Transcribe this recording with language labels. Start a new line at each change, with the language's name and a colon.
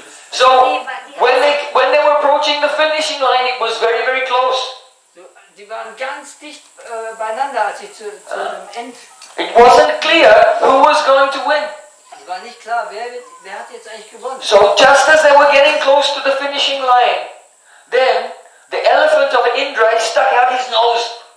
English: So when they were approaching the finishing line, it was very, very close. It wasn't clear who was going to win.
German: War nicht klar, wer hat jetzt eigentlich gewonnen?
English: So just as they were getting close to the finishing line, then the elephant of Indra stuck out his nose.